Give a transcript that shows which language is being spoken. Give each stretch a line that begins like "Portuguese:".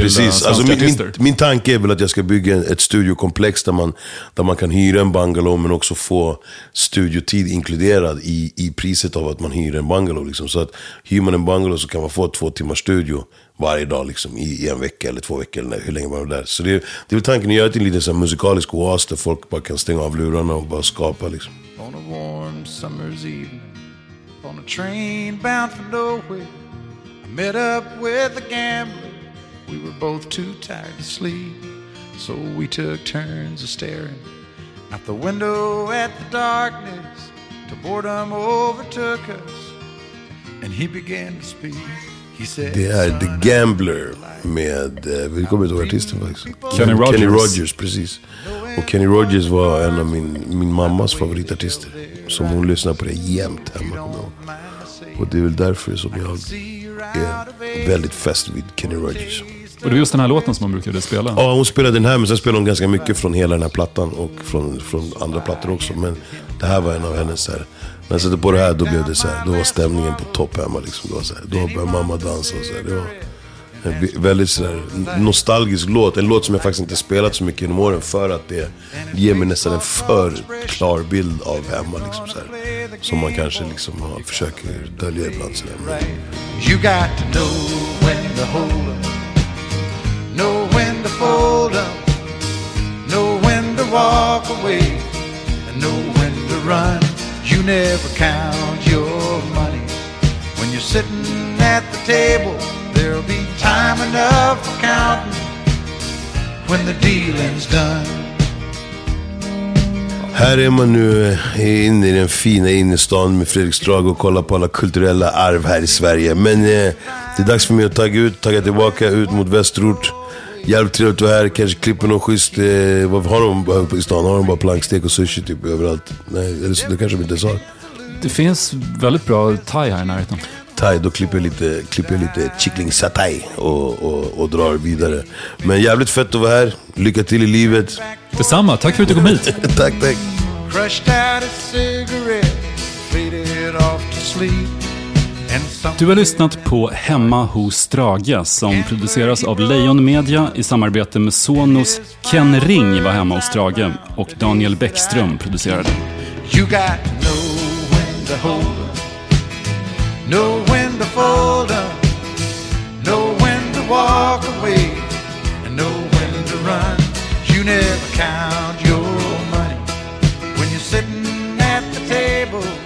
Swedish: Precis, alltså min tanke är väl att jag ska bygga ett studiokomplex där man kan hyra en bungalow men också få studiotid inkluderad i priset av att man hyr en bungalow liksom. Så att hyr man en bungalow så kan man få 2 timmar studio varje dag liksom, i en vecka eller 2 veckor eller hur länge man är där. Så det är väl tanken att göra till en liten musikalisk oas där folk bara kan stänga av lurarna och bara skapa liksom.
English: On a warm summer's evening, on a train bound for nowhere, I met up with a gambler. We were both too tired to sleep, so we took turns of staring out the window at the darkness till boredom overtook us, and he began to speak.
Swedish: Det är The Gambler med, vi kommer inte ihåg artisten faktiskt. Kenny Rogers. Kenny Rogers, precis. Och Kenny Rogers var en av min mammas favoritartister, som hon lyssnar på det jämt hemma. Och det är väl därför som jag är väldigt fäst vid Kenny Rogers. Och det var just den här låten som man brukade spela? Ja, hon spelade den här, men sen spelade hon ganska mycket från hela den här plattan och från andra plattor också. Men det här var en av hennes här. När jag sätter på det här, då blev det så här, då var stämningen på topp hemma liksom. Då, så här, då började mamma dansa och så här. Det var en väldigt så här nostalgisk låt. En låt som jag faktiskt inte spelat så mycket genom åren, för att det ger mig nästan en för klar bild av hemma liksom, så här, som man kanske liksom har, försöker dölja ibland så här. Men...
English: You got to know when the hold up, know when to fold up, know when to walk away, and know when to run. You never count your money when you're sitting at the table. There'll be time enough for counting when the dealing's done.
Swedish: Här är man nu inne i den fina innerstan med Fredrik Strag och kollar på alla kulturella arv här i Sverige. Men det är dags för mig att tagga tillbaka ut mot Västerort. Jävligt trevligt att vara här, kanske klipper någon schysst, vad har de i stan? Har de bara plankstek och sushi typ överallt? Nej, eller så, det kanske de inte sa. Det finns väldigt bra thai här i närheten. Thai, då klipper jag lite chickling satay och drar vidare. Men jävligt fett att vara här, lycka till i livet. Detsamma, tack för att du kom hit. Tack.
English: Crushed out a cigarette, faded off to sleep.
Swedish: Du har lyssnat på Hemma hos Strage, som produceras av Lejon Media i samarbete med Sonos. Ken Ring var hemma hos Strage och Daniel Bäckström producerade.
English: You got to know when to hold up, know when to fold up, know when to walk away, and know when to run. You never count your money when you're sitting at the table.